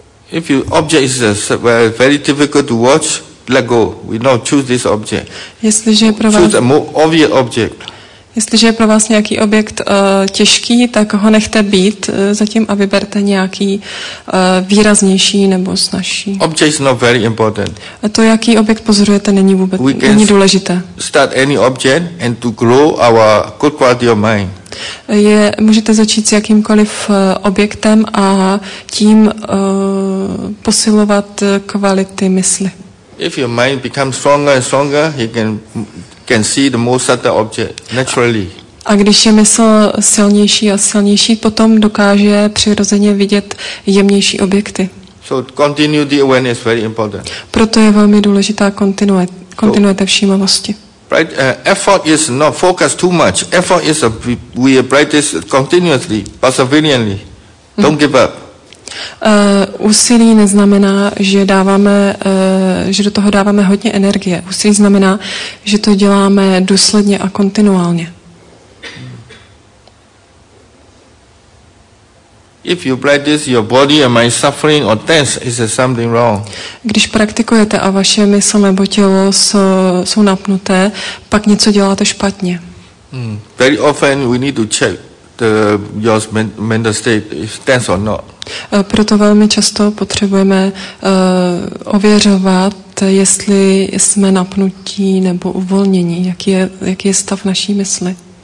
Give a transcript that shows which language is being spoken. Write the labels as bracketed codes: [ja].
[en] If your object is very difficult to watch, let go. We not choose this object. [cs] Jestliže je pro vás, [en] choose a more obvious object. [cs] Jestliže je pro vás nějaký objekt těžký, tak ho nechte být zatím a vyberte nějaký výraznější nebo snažší. [en] Object is not very important. [cs] A to, jaký objekt pozorujete, není vůbec, není důležité. [en] Start any object and to grow our good quality of mind. [cs] Můžete začít s jakýmkoliv objektem a tím posilovat kvality mysli. [en] If your mind becomes stronger and stronger, you can see the most subtle object naturally. [cs] A když je mysl silnější a silnější, potom dokáže přirozeně vidět jemnější objekty. [en] So continuity awareness is very important. [cs] Proto je velmi důležitá kontinuita všímavosti. [en] Right, effort is not focus too much. Effort is we practice continuously, perseveringly. Don't give up. [cs] Úsilí neznamená, že dáváme, že do toho dáváme hodně energie. Úsilí znamená, že to děláme důsledně a kontinuálně. [en] If you practice your body and mind suffering or tense, is there something wrong? [cs] Když praktikujete a vaše mysl nebo tělo jsou napnuté, pak něco děláte špatně. [en] Very often we need to check your mental state is tense or not. [cs] Proto velmi často potřebujeme ověřovat, jestli jsme napnutí nebo uvolnění, jaký je stav naší mysli.